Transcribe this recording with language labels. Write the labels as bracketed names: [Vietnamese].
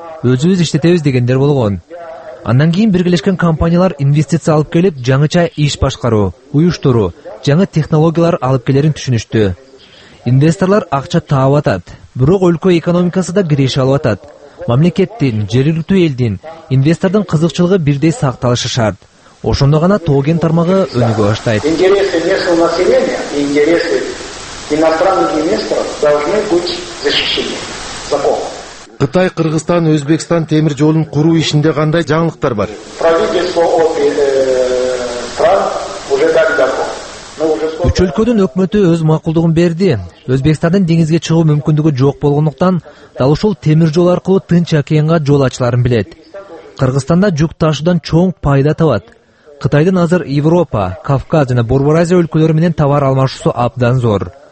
[Kyrgyz] Өзүбүз иштетебиз дегендер болгон. Андан кийин биргелешкен компаниялар инвестиция алып келип, жаңыча иш башкаруу, уюштуруу, жаңы технологиялар алып келерин түшүнүштү. Инвесторлор акча таап атат, бирок өлкө экономикасы да киреш алып атат. Мамлекеттин, жергиликтүү элдин, инвестордун кызыкчылыгы бирдей сакталышы шарт. Ошондо гана тоогэн тармагы өнүгө баштайт. [Russian] Интересы местного населения и интересы иностранных инвесторов должны быть защищены законом. [Kyrgyz] Кытай, Кыргызстан, Өзбекстан темир жолун куруу ишинде кандай жаңылыктар бар? [Russian] Правительство от стран уже дали добро. [Kyrgyz] Үч өлкөдүн өкмөтү өз макулдугун берди. Өзбекстандын деңизге чыгуу мүмкүндүгү жок болгондуктан дал ушул темир жол аркылуу Тынч океанга жол ачыларын билет. Кыргызстанда жүк ташуудан чоң пайда табат. Кытайдын азыр Европа, Кавказ жана Борбор Азия өлкөлөрү менен товар алмашуусу абдан зор.